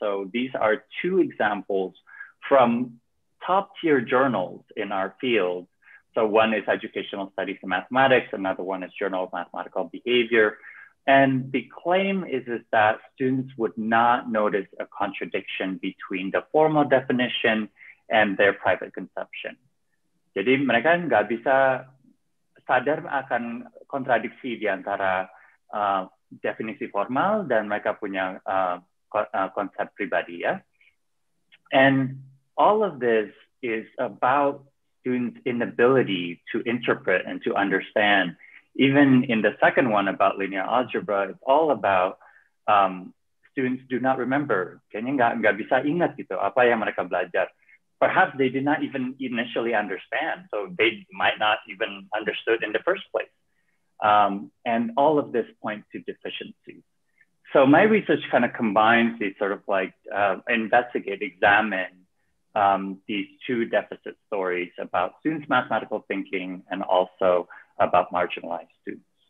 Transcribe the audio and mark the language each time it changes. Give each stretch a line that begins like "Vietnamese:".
English: So these are two examples from top tier journals in our field. So one is Educational Studies in Mathematics, another one is Journal of Mathematical Behavior. And the claim is that students would not notice a contradiction between the formal definition and their private conception.
Indonesian: Jadi mereka nggak bisa sadar akan kontradiksi di antara definisi formal dan mereka punya konsep pribadi, ya.
English: And all of this is about students' inability to interpret and to understand. Even in the second one about linear algebra, it's all about students do not remember.
Indonesian: Kayaknya nggak bisa ingat gitu apa yang mereka belajar.
English: Perhaps they did not even initially understand, so they might not even understood in the first place. And all of this points to deficiencies. So my research kind of combines these sort of like examine these two deficit stories about students' mathematical thinking and also about marginalized students.